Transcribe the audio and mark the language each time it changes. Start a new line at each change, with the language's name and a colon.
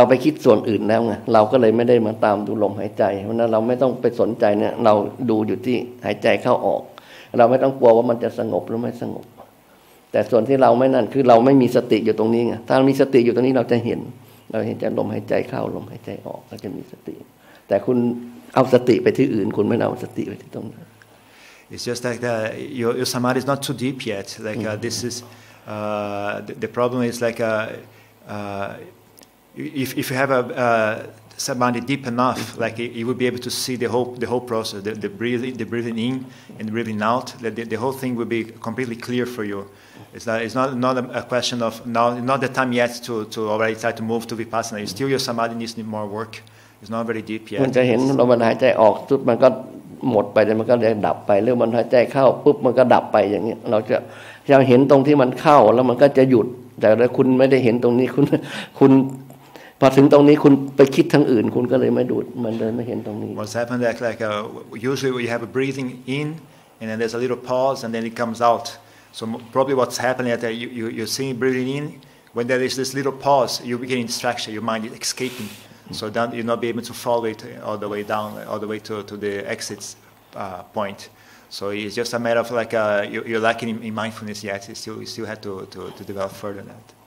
Thai: ดส่วนอื่นแล้วไงเราก็เลยไม่ได้มาตามดูลมหายใจเพราะนั้นเราไม่ต้องไปสนใจเนี่ยเราดูอยู่ที่หายใจเข้าออกเราไม่ต้องกลัวว่ามันจะสงบหรือไม่สงบแต่ส่วนที่เราไม่นั่นคือเราไม่มีสติอยู่ตรงนี้ไงถ้ามีสติอยู่ตรงนี้เราจะเห็นจะลมหายใจเข้าลมหายใจออกเราจะมีสติแต่คุณเอาสติไปที่อื่นคุณไม่เอาสติไปที่ตรงนั้น
English: It's just like that your samadhi is not too deep yet like this is the problem is like If you have a samadhi deep enough, like you will be able to see the whole process, the breathing in and breathing out, the whole thing will be completely clear for you. It's not a question of now, not the time yet to already start to move to vipassana. You still your samadhi needs more work. It's not very deep yet.
Thai: มันจะเห็นลมหายใจออกทุกมันก็หมดไปแต่มันก็เลยดับไปเรื่องลมหายใจเข้าปุ๊บมันก็ดับไปอย่างนี้เราเห็นตรงที่มันเข้าแล้วมันก็จะหยุดแต่ถ้าคุณไม่ได้เห็นตรงนี้คุณพอถึงตรงนี้คุณไปคิดทางอื่นคุณก็เลยไม่ดูมันเลยไม่เห็นตรงนี้
English: What's happened like usually we have a breathing in and then there's a little pause and then it comes out so probably what's happening is that you're seeing breathing in when there is this little pause you begin distraction your mind is escaping so then you're not be able to follow it all the way down all the way to the exit point so it's just a matter of like you're lacking in mindfulness yet you still have to develop further that